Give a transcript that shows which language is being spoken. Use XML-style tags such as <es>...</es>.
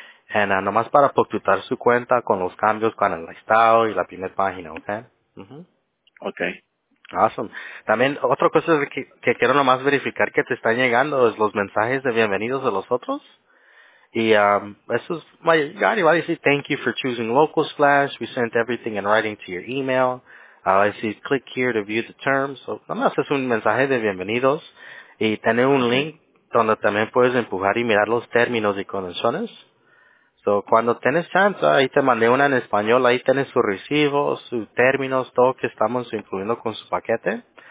<en>And</en> <es>nomás para postular su cuenta con los cambios con el estado y la primera página, ¿ok?</es> <en>Uh-huh. Okay. Awesome.</en> <es>También otra cosa que quiero nomás verificar que te están llegando es los mensajes de bienvenidos de los otros. Y eso es mayor, igual decir</es> <en>thank you for choosing Local Splash. We sent everything in writing to your email. I see click here to view the terms.</en> <es>So, nomás es un mensaje de bienvenidos y tener un link donde también puedes empujar y mirar los términos y condiciones. So, cuando tienes chance, ahí te mandé una en español, ahí tienes su recibo, sus términos, todo que estamos incluyendo con su paquete.</es>